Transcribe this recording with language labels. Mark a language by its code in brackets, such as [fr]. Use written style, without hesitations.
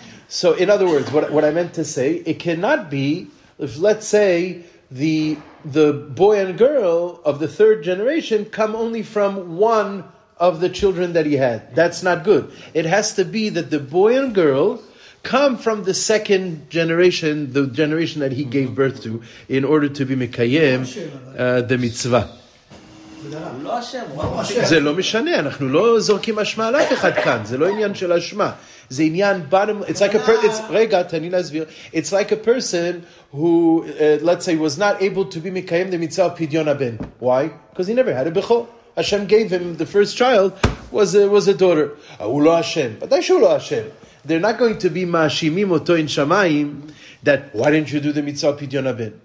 [en] So in other words, what I meant to say, it cannot be, if let's say the boy and girl of the third generation come only from one of the children that he had. That's not good. It has to be that the boy and girl come from the second generation, the generation that he gave birth to, in order to be mekayem the mitzvah. [he] זה לא משנה. אנחנו לא זורקים אשמה על אף אחד כאן. זה לא עניין של אשמה. זה עניין bottom. [en] It's like a person. [he] רגע, תני להסביר. [en] It's like a person who, let's say, was not able to be mekayem the mitzvah of pidyon haben. Why? Because he never had a bechor. Hashem gave him the first child was a daughter. Ulo Hashem, but that's ulo Hashem. They're not going to be ma'ashimim oto in shamayim that why didn't you do the mitzvah pidyon haben?